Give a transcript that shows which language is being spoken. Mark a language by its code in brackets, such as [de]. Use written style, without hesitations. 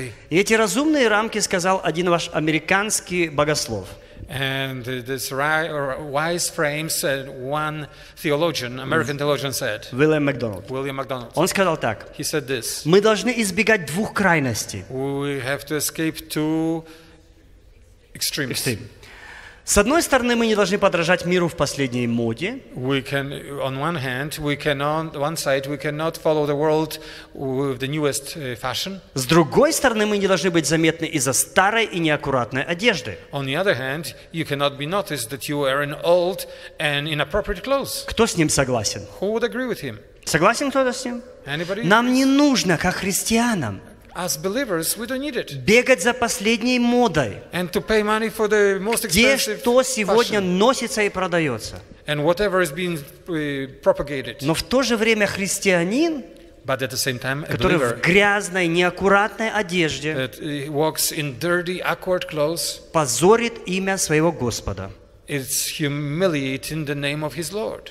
[ru] И эти разумные рамки сказал один ваш американский богослов. [en] And this wise frame said one theologian, American theologian said. [ru] William MacDonald. Он сказал так. [en] He said this. [ru] Мы должны избегать двух крайностей. [en] We have to escape two extremes. [ru] С одной стороны, мы не должны подражать миру в последней моде. [en] We can, on one hand, we cannot, one side, we cannot follow the world with the newest fashion. [ru] С другой стороны, мы не должны быть заметны из-за старой и неаккуратной одежды. [en] On the other hand, you cannot be noticed that you are in old and inappropriate clothes. [ru] Кто с ним согласен? [en] Who would agree with him? [ru] Согласен кто-то с ним? [en] Anybody? [ru] Нам не нужно, как христианам. [en] As believers, we don't need it. [ru] Бегать за последней модой. [en] And to pay money for the most expensive. [ru] Где что сегодня носится и продается. [en] And whatever is being propagated. [ru] Но в то же время христианин, [en] but at the same time, [ru] который [en] believer, [ru] в грязной, неаккуратной одежде, [en] that walks in dirty, awkward clothes, [ru] позорит имя своего Господа. [en] It's humiliating the name of his Lord.